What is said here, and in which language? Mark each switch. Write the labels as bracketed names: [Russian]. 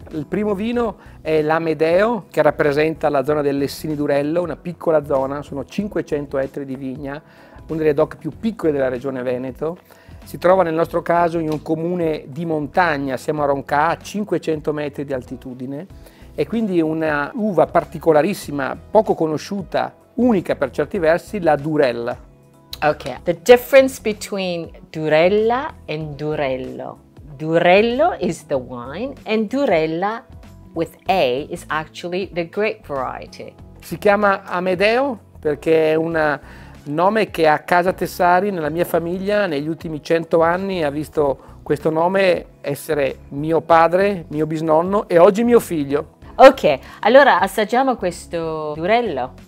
[Italian] Il primo vino è l'Amedeo, che rappresenta la zona del Lessini Durello, una piccola zona, sono 500 ettari di vigna, una delle DOC più piccole della regione Veneto. Si trova nel nostro caso in un comune di montagna, siamo a Roncà, a 500 metri di altitudine. E quindi una uva particolarissima, poco conosciuta, unica per certi versi, la Durella. [English] Ok, the difference between Durella and Durello. Durello is the wine and Durella with A is actually the grape variety. [Italian] Si chiama Amedeo perché è un nome che a casa Tessari, nella mia famiglia, negli ultimi 100 anni ha visto questo nome essere mio padre, mio bisnonno e oggi mio figlio. Ok, allora assaggiamo questo Durello.